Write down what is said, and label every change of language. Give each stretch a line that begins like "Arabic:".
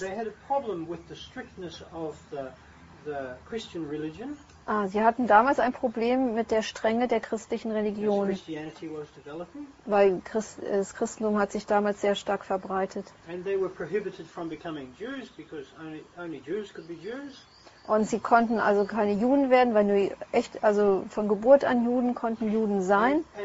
English: They had a problem with the strictness of the Christian religion.
German: Ah, sie hatten damals ein Problem mit der Strenge der christlichen Religion.
English: As Christianity was developing.
German: Weil das Christentum hat sich damals sehr stark verbreitet.
English: And they were prohibited from becoming Jews because only Jews could be Jews.
German: Und sie konnten also keine Juden werden, weil nur echt, also von Geburt an Juden konnten Juden sein.